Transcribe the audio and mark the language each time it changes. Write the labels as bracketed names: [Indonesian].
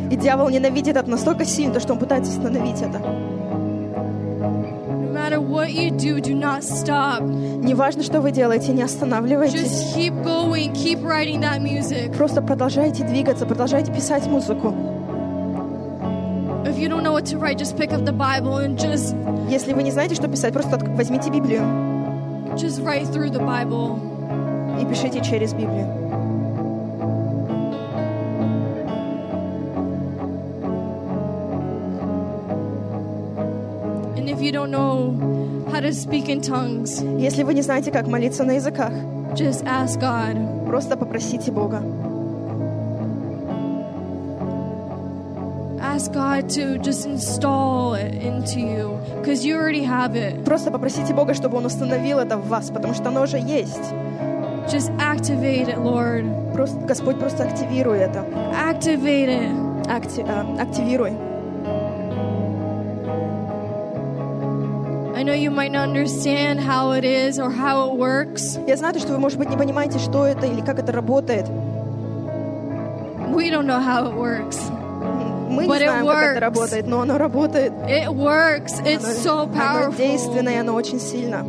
[Russian] И дьявол ненавидит это настолько сильно, что он пытается остановить это. [English] What you do, do not stop. [Russian] Неважно, что вы делаете, не останавливайтесь. [English] Just keep going, keep writing that music. [Russian] Просто продолжайте двигаться, продолжайте писать музыку. [English] If you don't know what to write, just pick up the Bible and just. [Russian] Если вы не знаете, что писать, просто возьмите Библию. [English] Just write through the Bible. [Russian] И пишите через Библию. [English] You don't know how to speak in tongues. [Russian] Если вы не знаете, как молиться на языках, [English] just ask God. [Russian] Просто попросите Бога. [English] Ask God to just install it into you, because you already have it. [Russian] Просто попросите Бога, чтобы Он установил это в вас, потому что оно уже есть. [English] Just activate it, Lord. [Russian] Просто Господь просто активируй это. [English] Activate it. [Russian] Активируй. [English] I know you might not understand how it is or how it works. [Russian] Я знаю, что вы, может быть, не понимаете, что это или как это работает. [English] We don't know how it works. [Russian] Мы не знаем, как это работает, но оно работает. [English] It works. It's so powerful. [Russian] Оно действенное, оно очень сильно.